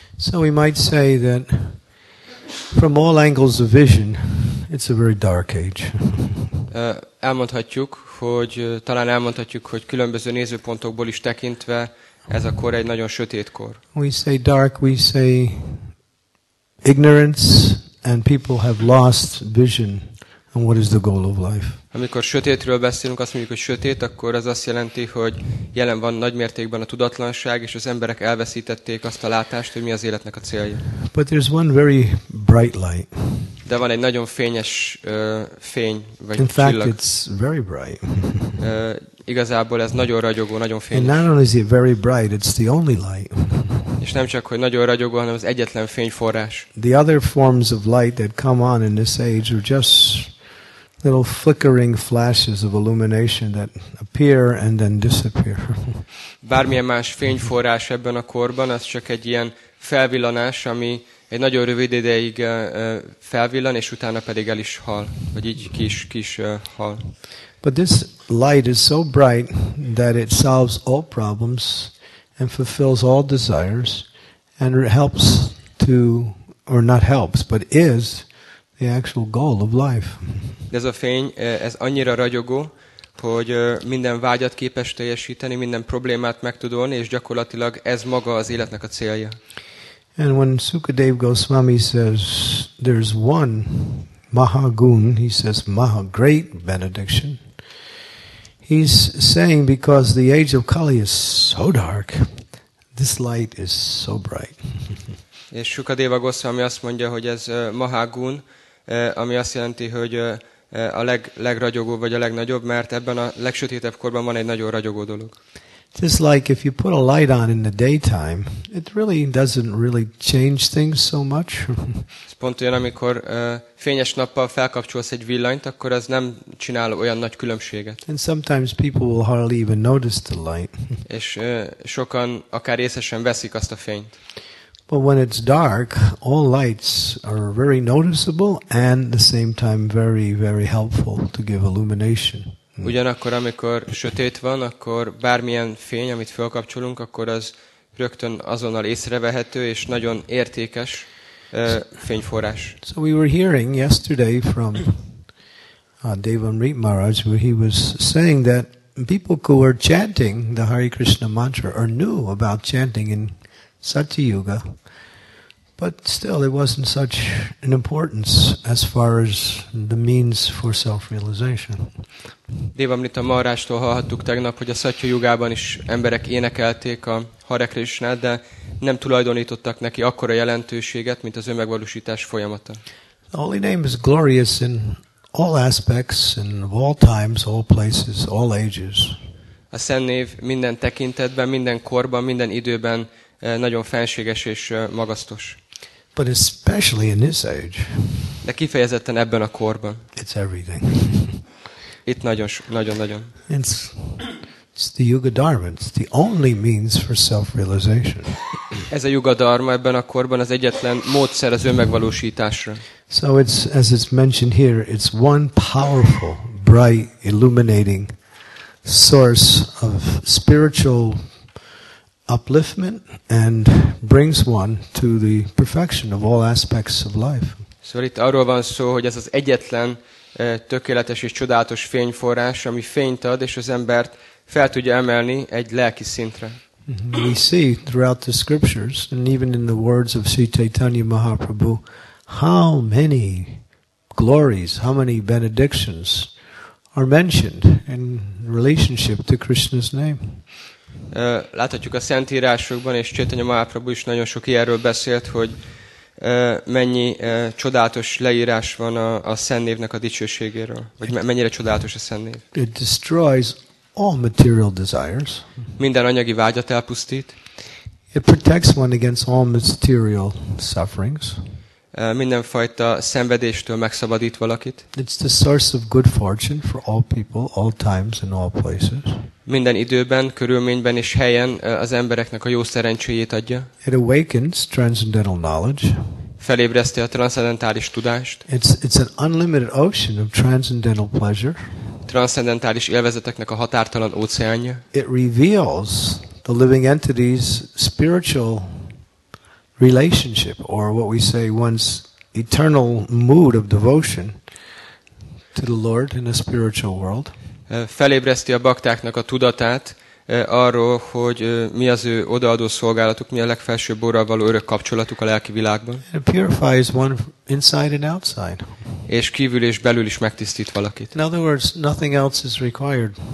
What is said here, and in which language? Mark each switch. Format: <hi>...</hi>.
<en>So we might say that from all angles of vision, it's a very dark age.</en> <hu>Elmondhatjuk, hogy különböző nézőpontokból is tekintve ez a kor egy nagyon sötét kor.</hu> <en>We say dark, we say ignorance, and people have lost vision on what is the goal of life.</en> <hu>Amikor sötétről beszélünk, azt mondjuk, hogy sötét, akkor az azt jelenti, hogy jelen van nagy mértékben a tudatlanság, és az emberek elveszítették azt a látást, hogy mi az életnek a célja.</hu> <en>But there's one very bright light.</en> <hu>De van egy nagyon fényes fény, vagy</hu> <en>in</en> <hu>csillag.</hu> <en>In fact, it's very bright.</en> <hu>Igazából ez nagyon ragyogó, nagyon fényes.</hu> <en>And not only is it very bright, it's the only light.</en> <hu>És nem csak, hogy nagyon ragyogó, hanem az egyetlen fényforrás.</hu> <en>The other forms of light that come on in this age are just little flickering flashes of illumination that appear and then disappear.</en> <hu>Bármilyen más fényforrás ebben a korban, az csak egy ilyen felvillanás, ami egy nagyon rövid ideig felvillan, és utána pedig el is hal, vagy így kis hal.</hu> <en>But this light is so bright that it solves all problems and fulfills all desires and helps to, or not helps, but is the actual goal of life.</en> <hu>Ez a fény, ez annyira ragyogó, hogy minden vágyat képes teljesíteni, minden problémát meg tud oldani, és gyakorlatilag ez maga az életnek a célja.</hu> <en>And when Sukadev Goswami says there's one Mahagun, he says Maha, great benediction, he's saying because the age of Kali is so dark, this light is so bright.</en> <hu>És Sukadeva Goswami azt mondja, hogy ez Mahagun, ami azt jelenti, hogy a legragyogóbb vagy a legnagyobb, mert ebben a legsötétebb korban van egy nagyon ragyogó dolog.</hu> <en>Just like if you put a light on in the daytime, it really doesn't really change things so much.</en> <hu>Pont olyan, amikor fényes nappal felkapcsolsz egy villanyt, akkor az nem csinál olyan nagy különbséget.</hu> <en>And sometimes people will hardly even notice the light.</en> <hu>És sokan akár észre sem veszik azt a fényt.</hu> <en>But when it's dark, all lights are very noticeable and at the same time very, very helpful to give illumination.</en> <hu>Ugyanakkor, amikor sötét van, akkor bármilyen fény, amit felkapcsolunk, akkor az rögtön azonnal észrevehető és nagyon értékes fényforrás.</hu> <en>So we were hearing yesterday from Devamrit Maharaj, where he was saying that people who were chanting the Hare Krishna mantra or knew about chanting in Satya Yuga, but still it wasn't such an importance as far as the means for self-realization.</en> <hu>Devamrita Maharajtól hallhattuk tegnap, hogy a Satya Yugában is emberek énekelték a Hare Krishnát, de nem tulajdonítottak neki akkora jelentőséget, mint az önmegvalósítás folyamata.</hu> <en>The holy name is glorious in all aspects, in all times, all places, all ages.</en> <hu>A Szent Név minden tekintetben, minden korban, minden időben nagyon fenséges és magasztos.</hu> <en>But especially in this age.</en> <hu>De kifejezetten ebben a korban.</hu> <en>It's everything.</en> <hu>Itt nagyon, nagyon, nagyon.</hu> <en>It's the Yuga Dharma. It's the only means for self-realization.</en> <hu>Ez a Yuga Dharma ebben a korban az egyetlen módszer az önmegvalósításra.</hu> <en>So it's, as it's mentioned here, it's one powerful, bright, illuminating source of spiritual upliftment and brings one to the perfection of all aspects of life.</en> <hu>Szóval itt arról van szó, hogy ez az egyetlen tökéletes és csodálatos fényforrás, ami fényt ad, és az embert fel tudja emelni egy lelki szintre.</hu> <en>We see throughout the scriptures and even in the words of Sri Chaitanya Mahaprabhu how many glories, how many benedictions are mentioned in relationship to Krishna's name.</en> <hu>Láthatjuk a szentírásokban, és Chaitanya Mahaprabhu is nagyon sok ilyenről beszélt, hogy mennyi csodálatos leírás van a szentnévnek a dicsőségéről, vagy mennyire csodálatos a szentnév.</hu> <en>It destroys all material desires.</en> <hu>Minden anyagi vágyat elpusztít.</hu> <en>It protects one against all material sufferings.</en> <hu>Mindenfajta szenvedéstől megszabadít valakit.</hu> <en>It's the source of good fortune for all people, all times and all places.</en> <hu>Minden időben, körülményben és helyen az embereknek a jó szerencséjét adja.</hu> <en>It awakens transcendental knowledge.</en> <hu>Felébreszti a transzcendentális tudást.</hu> <en>It's an unlimited ocean of transcendental pleasure.</en> <hu>Transzcendentális élvezeteknek a határtalan óceánja.</hu> <en>It reveals the living entity's spiritual relationship, or what we say, one's eternal mood of devotion to the Lord in a spiritual world.</en> <hu>Felébreszti a baktáknak a tudatát arról, hogy mi az ő odaadó szolgálatuk, mi a legfelsőbb orral való örök kapcsolatuk a lelki világban.</hu> <en>It purifies one inside and outside.</en> <hu>És kívül és belül is megtisztít valakit.</hu> <en>In other words, nothing else is required.</en>